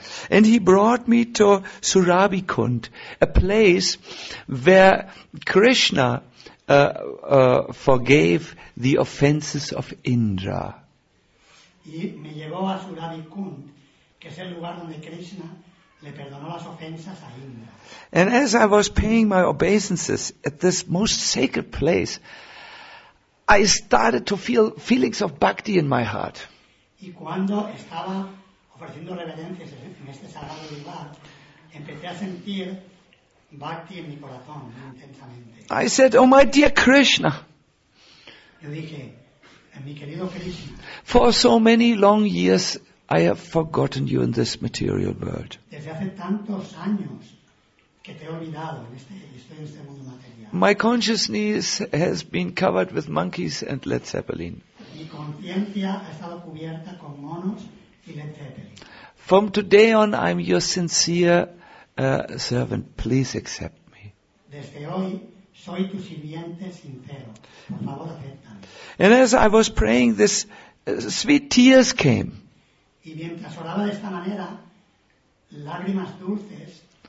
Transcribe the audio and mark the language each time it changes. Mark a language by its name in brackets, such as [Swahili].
[English] And he brought me to Surabikund, a place where Krishna forgave the offenses of Indra. [Spanish] Y me llevó a Surabikund, que es el lugar donde Krishna le perdonó las ofensas a Indra. [English] And as I was paying my obeisances at this most sacred place, I started to feel feelings of bhakti in my heart. [Spanish] Y cuando estaba ofreciendo reverencias en este sagrado lugar, empecé a sentir bhakti en mi corazón, intensamente. [English] I said, "Oh my dear Krishna." [Spanish] Yo dije, "Mi querido Krishna." [English] "For so many long years, I have forgotten you in this material world." [Spanish] Desde hace tantos años que te he olvidado en este, estoy en este mundo material. [English] "My consciousness has been covered with monkeys and Led Zeppelin. [Spanish] Mi conciencia ha estado cubierta con monos y Led Zeppelin. [English] From today on, I'm your sincere servant. Please accept me." [Spanish] Desde hoy, soy tu sirviente sincero. Por favor, acéptame. [English] And as I was praying, this sweet tears came. [Spanish] Y mientras oraba de esta manera, lágrimas dulces.